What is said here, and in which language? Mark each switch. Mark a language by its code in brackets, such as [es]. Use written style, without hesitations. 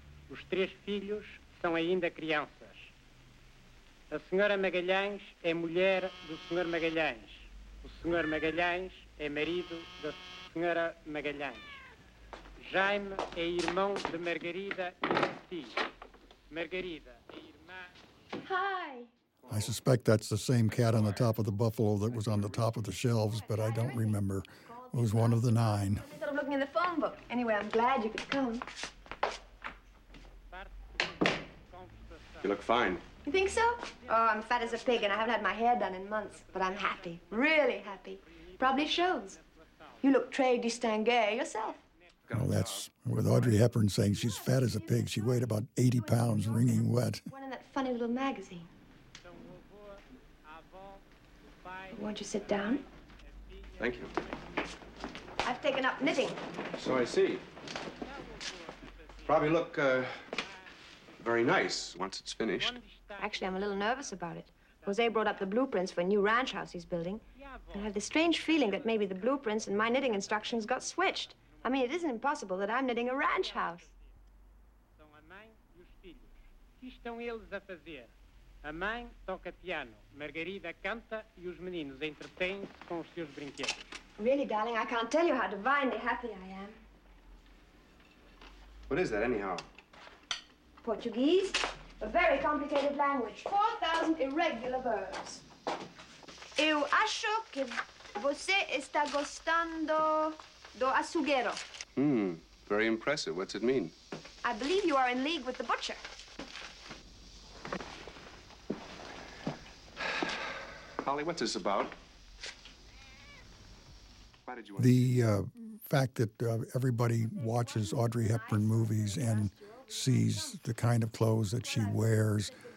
[pt] Os três filhos são ainda crianças. A senhora Magalhães é mulher do senhor Magalhães. O senhor Magalhães é marido da senhora Magalhães. Jaime é irmão de Margarida e de ti. Margarida é irmã... [en] Hi! I suspect that's the same cat on the top of the buffalo that was on the top of the shelves, but I don't remember. It was one of the nine. I thought of looking in the phone book. Anyway, I'm glad you could come. You look fine. You think so? Oh, I'm fat as a pig and I haven't had my hair done in months, but I'm happy, really happy. Probably shows. You look [fr] très distingué [en] yourself. Well, that's with Audrey Hepburn saying she's fat as a pig. She weighed about 80 pounds, wringing wet. One in that funny little magazine. Won't you sit down? Thank you. I've taken up knitting. So I see. Probably look very nice once it's finished. Actually, I'm a little nervous about it. Jose brought up the blueprints for a new ranch house he's building. And I have this strange feeling that maybe the blueprints and my knitting instructions got switched. I mean, it isn't impossible that I'm knitting a ranch house. [pt] São a mãe e os filhos. O que estão eles a fazer? A mãe toca piano, Margarida canta e os meninos entretêm-se com os seus brinquedos. [en] Really, darling, I can't tell you how divinely happy I am. What is that, anyhow? Portuguese, a very complicated language. 4,000 irregular verbs. [pt] Eu acho que você está gostando do açougueiro. [en] Very impressive. What's it mean? I believe you are in league with the butcher. Holly, what's this about? Why did you want the fact that everybody watches Audrey Hepburn movies and sees the kind of clothes that she wears.